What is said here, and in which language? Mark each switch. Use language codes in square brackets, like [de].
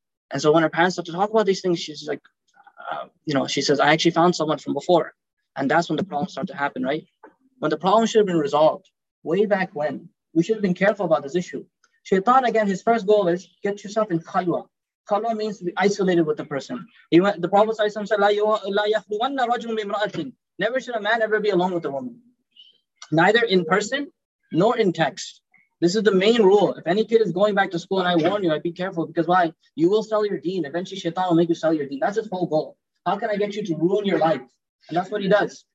[en] And so when her parents start to talk about these things, she's like, she says, I actually found someone from before. And that's when the problems start to happen, right? When the problem should have been resolved way back when, we should have been careful about this issue. Shaitan, again, his first goal is get yourself in khalwa. Khalwa means to be isolated with the person. The Prophet said, [ar] لا يخلونا رجل بامرأة. [en] Never should a man ever be alone with a woman. Neither in person nor in text. This is the main rule. If any kid is going back to school, and I warn you, I'd be careful, because why? You will sell your deen. Eventually, Shaitan will make you sell your deen. That's his whole goal. How can I get you to ruin your life? And that's what he does.